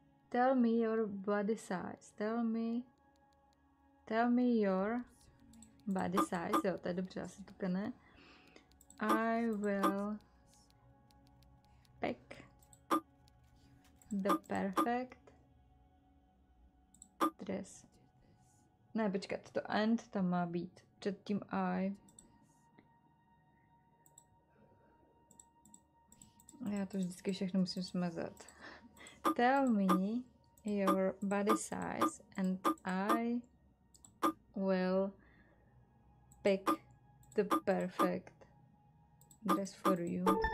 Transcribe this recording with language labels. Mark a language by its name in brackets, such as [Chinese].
[English] Tell me your body size. Tell me your body size. [Czech] Jo, to je dobře, asi to ne. [English] I will pick the perfect dress. [Czech] Ne, počkat, to and tam má být. Před tím I. Já to vždycky všechno musím smazat. [English] Tell me your body size and I will pick the perfect dress for you.